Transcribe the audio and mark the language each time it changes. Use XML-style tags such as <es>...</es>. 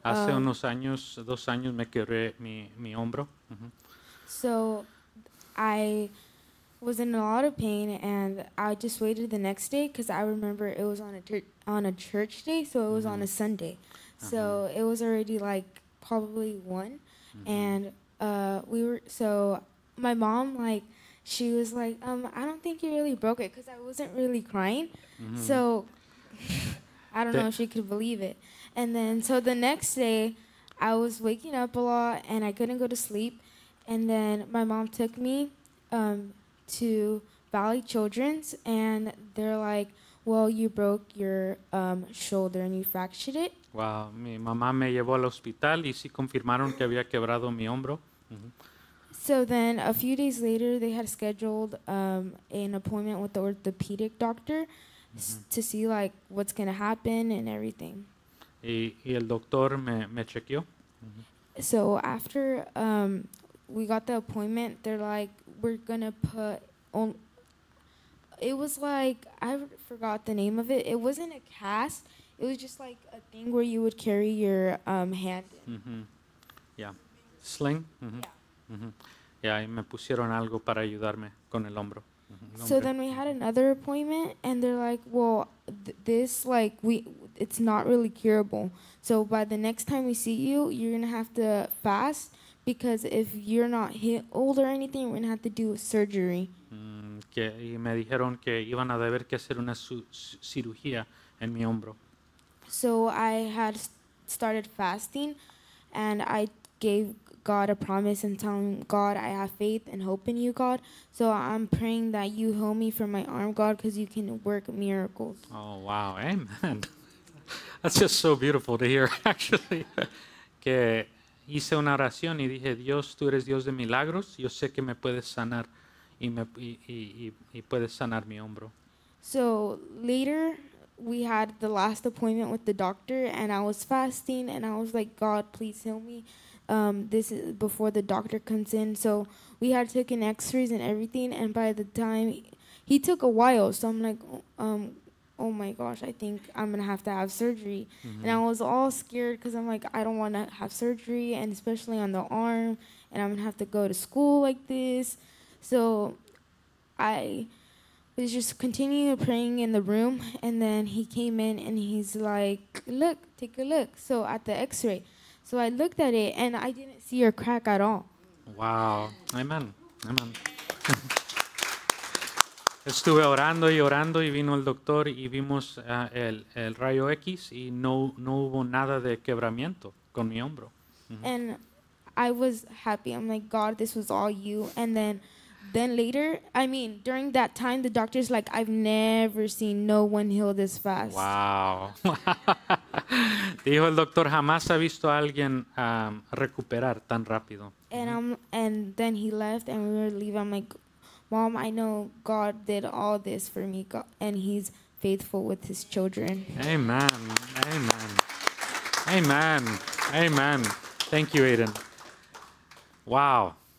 <es>hace unos años, 2 años me quebré mi hombro.</es> <en>So I was in a lot of pain, and I just waited the next day because I remember it was on a church day, so it was on a Sunday. Uh-huh. So it was already like probably 1. Mm-hmm. And my mom, like, she was like, I don't think you really broke it because I wasn't really crying. Mm-hmm. So I don't know if she could believe it. And then so the next day, I was waking up a lot and I couldn't go to sleep. And then my mom took me to Valley Children's, and they're like, Well, you broke your shoulder and you fractured it.</en> <es>Wow, mi mamá me llevó al hospital y sí confirmaron que había quebrado mi hombro.</es> <en>So then a few days later, they had scheduled an appointment with the orthopedic doctor to see like what's going to happen and everything.</en> <es>Y el doctor me chequeó.</es> <en>So after we got the appointment, they're like, we're going to put on, it was like, I forgot the name of it. It wasn't a cast. It was just like a thing where you would carry your hand in. Yeah. Sling?</en> <es>Yeah, y me pusieron algo para ayudarme con el hombro.</es> <en>So then we had another appointment, and they're like, well, it's not really curable. So by the next time we see you, you're going to have to fast, because if you're not healed or anything, we're going to have to do a surgery.</en> <es>Y me dijeron que iban a deber que hacer una cirugía en mi hombro.</es> <en>So I had started fasting, and I gave God a promise and telling God I have faith and hope in you, God. So I'm praying that you heal me from my arm, God, because you can work miracles. Oh, wow. Amen. That's just so beautiful to hear, actually.</en> <es>Que hice una oración y dije, Dios, tú eres Dios de milagros. Yo sé que me puedes sanar y puedes sanar mi hombro.</es> <en>So later, we had the last appointment with the doctor, and I was fasting, and I was like, God, please heal me. This is before the doctor comes in. So we had taken x-rays and everything, and by the time he took a while, so I'm like, oh my gosh, I think I'm gonna have to have surgery. And I was all scared because I'm like, I don't want to have surgery, and especially on the arm, and I'm gonna have to go to school like this. So I was just continuing praying in the room, and then he came in and he's like, look, take a look. So at the x-ray. So I looked at it, and I didn't see her crack at all. Wow. Amen. Amen.</en> <es>Estuve orando y orando, y vino el doctor, y vimos el rayo X, y no hubo nada de quebramiento con mi hombro.</es> <en>And I was happy. I'm like, God, this was all you. And then later, I mean, during that time, the doctor's like, I've never seen no one heal this fast. Wow.</en> <es>Dijo el doctor, jamás ha visto a alguien recuperar tan rápido.</es> <en>And then he left, and we were leaving. I'm like, Mom, I know God did all this for me, God, and he's faithful with his children. Amen. Amen. Amen. Amen. Thank you, Aiden. Wow.</en>